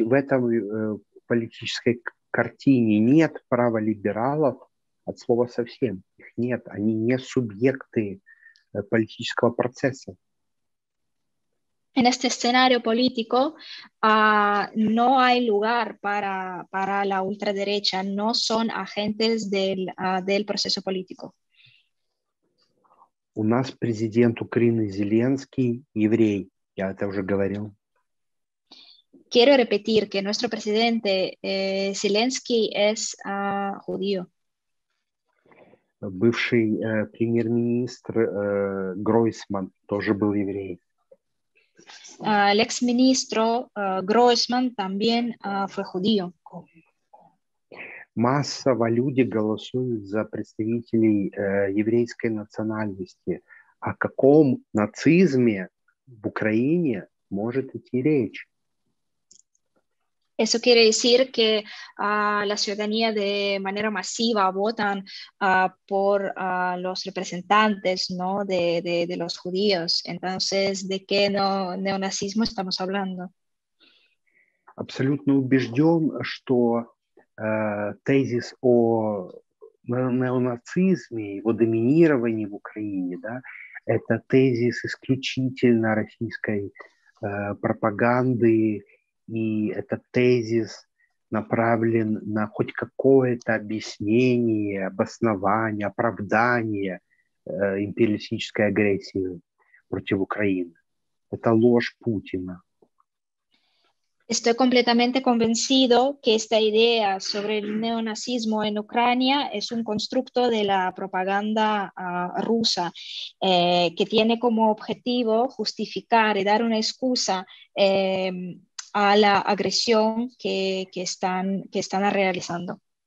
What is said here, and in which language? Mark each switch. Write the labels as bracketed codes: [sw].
[ru] В этой политической картине нет права либералов от слова совсем. Их нет. Они не субъекты политического процесса. [es] En este escenario político no hay lugar para la ultraderecha, no son agentes del proceso político. [ru] У нас президент Украины Зеленский еврей, я это уже говорил. [es] Quiero repetir que nuestro presidente Zelensky es judío. [ru] Бывший премьер-министр Гройсман тоже был еврей. [es] El exministro Гройсман también fue judío. [ru] Массово люди голосуют за представителей еврейской национальности. О каком нацизме в Украине может идти речь? [es] Eso quiere decir que la ciudadanía de manera masiva votan por los representantes, ¿no? De los judíos. Entonces, ¿de qué neonazismo estamos hablando? [ru] Абсолютно убежден, что тезис о неонацизме, его доминировании в Украине, да, это тезис исключительно российской пропаганды, и этот тезис направлен на хоть какое-то объяснение, обоснование, оправдание империалистической агрессии против Украины. Это ложь Путина. [es] Estoy completamente convencido que esta idea sobre el neonazismo en Ucrania es un constructo de la propaganda rusa, que tiene como objetivo justificar y dar una excusa a la agresión que están realizando.